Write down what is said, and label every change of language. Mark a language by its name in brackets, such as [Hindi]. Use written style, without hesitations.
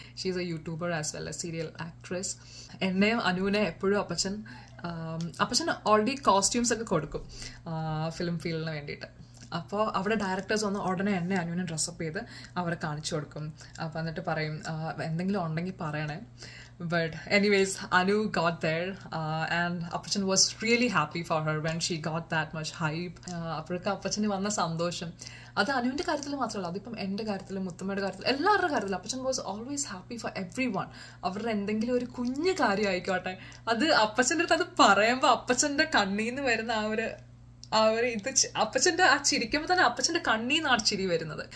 [English] She is a YouTuber as well a serial actress. [Malayalam] എന്നെയും അനുവിനെ എപ്പോഴും അപ്പച്ചൻ ഓൾറെഡി കോസ്റ്റ്യൂംസ് ഒക്കെ കൊടുക്കും ഫിലിം ഫീൽഡിന് വേണ്ടിയിട്ട്. അപ്പോൾ അവിടെ ഡയറക്ടേഴ്സ് വന്ന് ഉടനെ എന്നെ അനുവിനെ ഡ്രസ്സപ്പ് ചെയ്ത് അവരെ കാണിച്ചു കൊടുക്കും. അപ്പം എന്നിട്ട് പറയും എന്തെങ്കിലും ഉണ്ടെങ്കിൽ പറയണേ, [English] But anyways, Anu got there, and Appachan was really happy for her when she got that much hype. [Malayalam] അപ്പോഴൊക്കെ അപ്പച്ചന് വന്ന സന്തോഷം അത് അനുവിന്റെ കാര്യത്തിൽ മാത്രമല്ല, അതിപ്പം എൻ്റെ കാര്യത്തിലും മുത്തമ്മയുടെ കാര്യത്തിലും എല്ലാവരുടെ കാര്യത്തിലും അപ്പച്ചൻ [English] Was always happy for everyone. [Malayalam] അവരുടെ എന്തെങ്കിലും ഒരു കുഞ്ഞ് കാര്യം ആയിക്കോട്ടെ, അത് അപ്പച്ചൻ്റെ അടുത്ത് അത് പറയുമ്പോൾ അപ്പച്ചൻ്റെ കണ്ണിൽ നിന്ന് വരുന്ന ആ ഒരു ഇത്, അപ്പച്ചൻ്റെ ആ ചിരിക്കുമ്പോൾ തന്നെ അപ്പച്ചൻ്റെ കണ്ണിൽ നിന്നാണ് ചിരി വരുന്നത്.